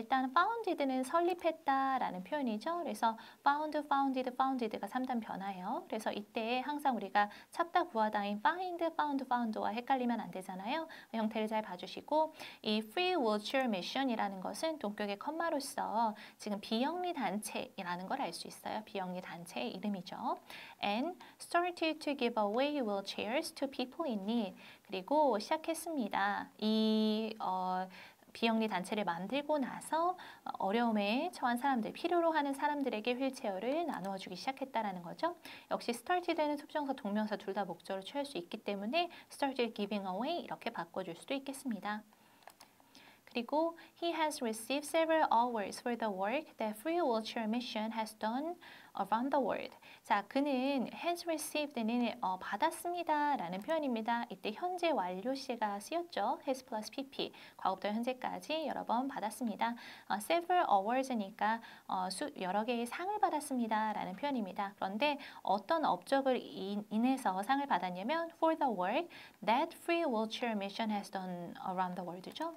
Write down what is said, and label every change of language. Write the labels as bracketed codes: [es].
[ko] 일단 founded는 설립했다라는 표현이죠. 그래서 founded가 3단 변화예요. 그래서 이때 항상 우리가 찾다 구하다인 found와 헷갈리면 안 되잖아요. 형태를 잘 봐주시고 이 free wheelchair mission이라는 것은 동격의 컴마로서 지금 비영리 단체이라는 걸알수 있어요. 비영리 단체의 이름이죠. [en] And started to give away wheelchairs to people in need. [ko] 그리고 시작했습니다. 이 비영리 단체를 만들고 나서 어려움에 처한 사람들, 필요로 하는 사람들에게 휠체어를 나누어 주기 시작했다라는 거죠. 역시 started는 속성사, 동명사 둘다 목적으로 취할 수 있기 때문에 [en] started giving away [ko] 이렇게 바꿔줄 수도 있겠습니다. 그리고 [en] he has received several awards for the work that Free Wheelchair Mission has done around the world. [ko] 자, 그는 has received는 받았습니다라는 표현입니다. 이때 현재 완료시제가 쓰였죠. has plus PP. 과거부터 현재까지 여러 번 받았습니다. [en] Several awards [ko] 니까 여러 개의 상을 받았습니다라는 표현입니다. 그런데 어떤 업적을 인해서 상을 받았냐면 [en] for the work that Free Wheelchair Mission has done around the world죠.